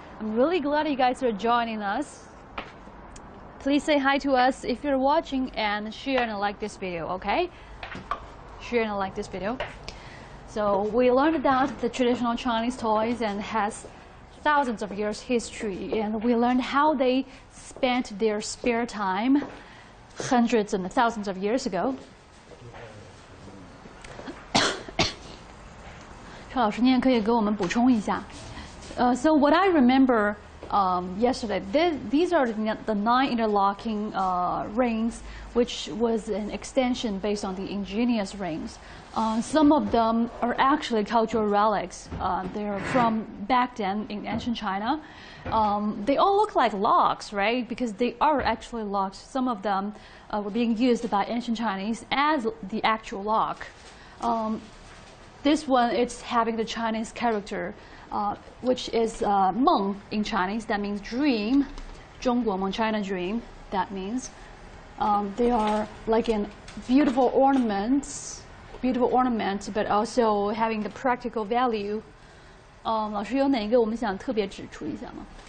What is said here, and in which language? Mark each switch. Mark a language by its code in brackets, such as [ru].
[en] I'm really glad you guys are joining us. Please say hi to us if you're watching, and share and like this video, okay? Share and like this video. So we learned that the traditional Chinese toys and has thousands of years history, and we learned how they spent their spare time hundreds and thousands of years ago. [zh] 陈老师，您可以给我们补充一下。 [en] So what I remember yesterday, these are the nine interlocking rings, which was an extension based on the ingenious rings. Some of them are actually cultural relics. They're from back then in ancient China. They all look like locks, right? Because they are actually locks. Some of them were being used by ancient Chinese as the actual lock. This one, it's having the Chinese character, which is Meng in Chinese, that means dream. 中国梦, China dream, that means. They are like a beautiful ornament, but also having the practical value. [zh] 老师有哪一个我们想特别指出一下吗?